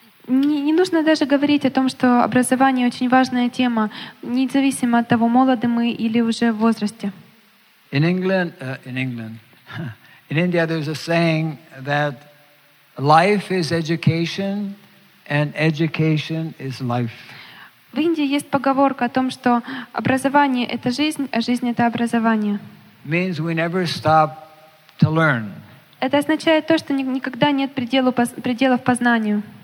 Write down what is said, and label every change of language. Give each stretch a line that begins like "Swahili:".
Russian: Не нужно даже говорить о том, что образование очень важная тема, независимо от того, молоды мы или уже в возрасте.
English: In India, there's a saying that life is education, and education is life.
Russian: В Индии есть поговорка о том, что образование — это жизнь, а жизнь — это образование.
English: Means we never stop to learn.
Russian: Это означает то, что никогда нет пределов познанию.